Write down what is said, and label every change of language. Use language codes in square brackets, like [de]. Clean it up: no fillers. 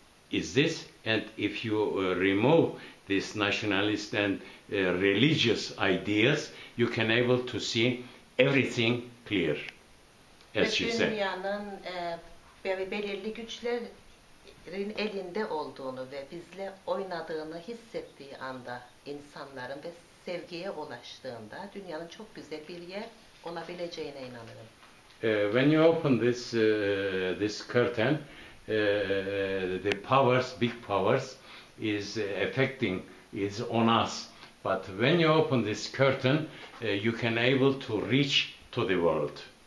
[en] Is this, and if you remove this nationalist and religious ideas, you can able to see everything clear, as she said. [tr] Dünyanın belirli güçlerin elinde olduğunu ve bizle oynadığını hissettiği anda insanların ve sevgiye ulaştığında dünyanın çok güzel bir yer olabileceğine inanırım. [en] When you open this this curtain, the powers, big powers, is affecting, is on us. But when you open this curtain, you can able to reach to the world.